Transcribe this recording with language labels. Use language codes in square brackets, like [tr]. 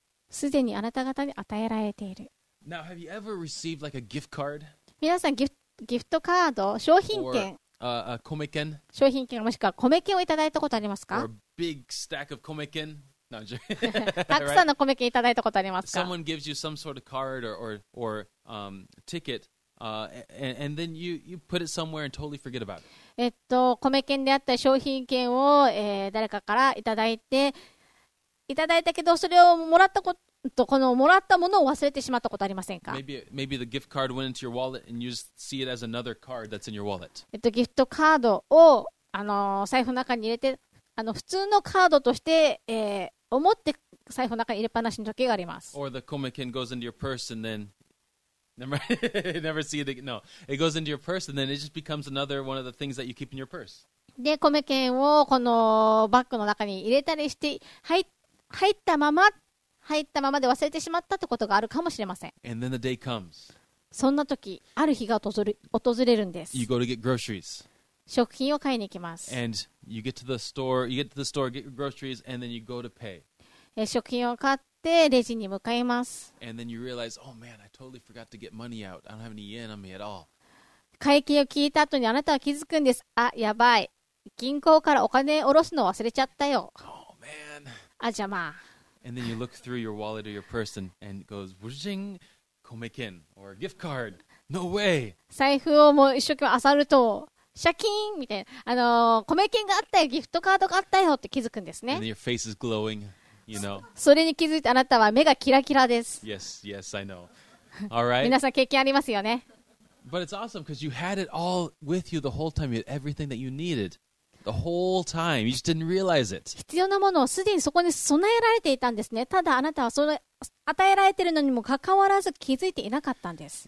[ja] すでにあなた方に与えられている。 [en] Now, have you ever received like a gift card? [ja] 皆さんギフトカード、商品券、商品券もしくは米券をいただいたことありますか？ [en] Or a big stack of 米券。 [ja] たくさんの米券いただいたことありますか? [en] Someone gives you some sort of card or ticket, and then you put it somewhere and totally forget about it. [ja] 米券であった商品券を、誰かからいただいたけど、それをもらったことこのもらったものを忘れてしまったことありませんか? [en] Maybe the gift card went into your wallet and you see it as another card that's in your wallet. [ja] ギフトカードを財布の中に入れて普通のカードとして、思って財布の中に入れっぱなしの時があります。 [en] Or the komeken goes into your purse and then never see it again. No, it goes into your purse and then it just becomes another one of the things that you keep in your purse. [ja] で、komeken をこのバッグの中に入れたりして入ったままで忘れてしまったってことがあるかもしれません。 [en] And then the day comes. [ja] そんな時、ある日が訪れるんです。 [en] You go to get groceries. [ja] 食品を買いに行きます。 [en] And you get to the store, you get to the store, get your groceries, and then you go to pay. [ja] 食品を買ってレジに向かいます。 [en] And then you realize, oh man, I totally forgot to get money out. I don't have any yen on me at all. [ja] 会計を聞いた後にあなたは気づくんです。あ、やばい。銀行からお金を下ろすの忘れちゃったよ。 [en] Oh man. [ja] あ、邪魔。 [en] And then you look through your wallet or your purse and it goes, wujing, komeken, or gift card. No way. [ja] 財布をもう一生懸命漁ると、シャキーンみたいな、米券があったよ、ギフトカードがあったよって気づくんですね。 [en] And your face is glowing, you know. [ja] それに気づいてあなたは目がキラキラです。 [en] Yes, yes, I know. All right. [ja] 皆さん経験ありますよね。 [en] But it's awesome because you had it all with you the whole time. You had everything that you needed the whole time. You just didn't realize it. [ja] 必要なものをすでにそこに備えられていたんですね。ただあなたはその与えられているのにもかかわらず気づいていなかったんです。